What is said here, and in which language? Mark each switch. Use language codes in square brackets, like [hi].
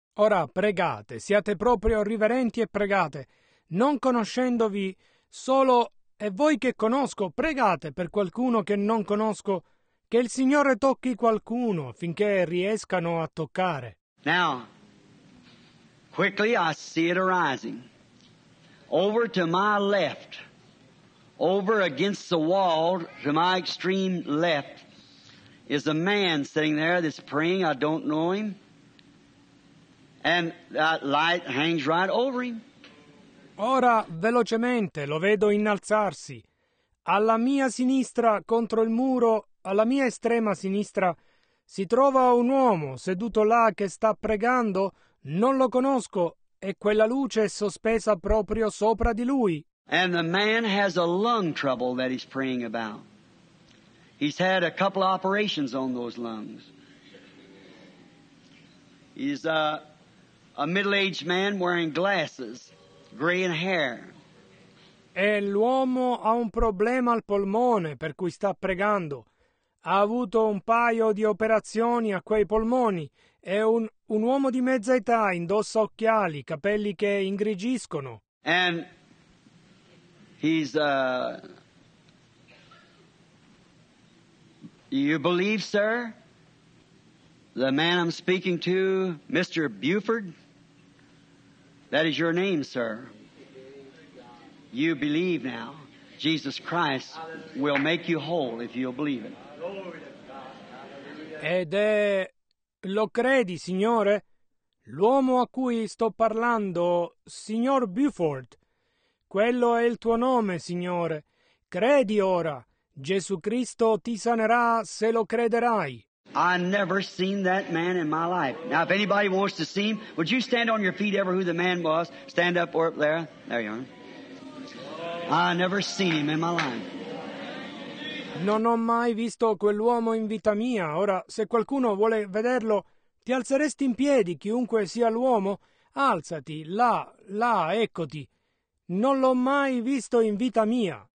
[it] Ora pregate, siate proprio riverenti e pregate, non conoscendovi, solo e voi che conosco, pregate per qualcuno che non conosco, che il Signore tocchi qualcuno affinché riescano a toccare. [en] Now, Quickly, I see it arising. Over to my left, over against the wall, to my extreme left, is a man sitting there that's praying. I don't know him. And that light hangs right over him. [it] Ora, velocemente, lo vedo innalzarsi. Alla mia sinistra, contro il muro, alla mia estrema sinistra, si trova un uomo seduto là che sta pregando. Non lo conosco, e quella luce è sospesa proprio sopra di lui. [en] And the man has a lung trouble that he's praying about. He's had a couple of operations on those lungs. He's a middle-aged man wearing glasses, gray in hair. [it] E l'uomo ha un problema al polmone per cui sta pregando. Ha avuto un paio di operazioni a quei polmoni. È un uomo di mezza età, indossa occhiali, capelli che ingrigiscono. [en] And he's you believe, sir, the man I'm speaking to, Mr. Buford? That is your name, sir. You believe now Jesus Christ will make you whole if you'll believe it. [it] Ed è... lo credi, signore? L'uomo a cui sto parlando, signor Buford, quello è il tuo nome, signore. Credi ora. Gesù Cristo ti sanerà se lo crederai. [en] I've never seen that man in my life. Now, if anybody wants to see him, would you stand on your feet, ever who the man was? Stand up or up there. There you are. I never seen him in my life. [it] Non ho mai visto quell'uomo in vita mia. Ora, se qualcuno vuole vederlo, ti alzeresti in piedi, chiunque sia l'uomo? Alzati, là, là, eccoti. Non l'ho mai visto in vita mia.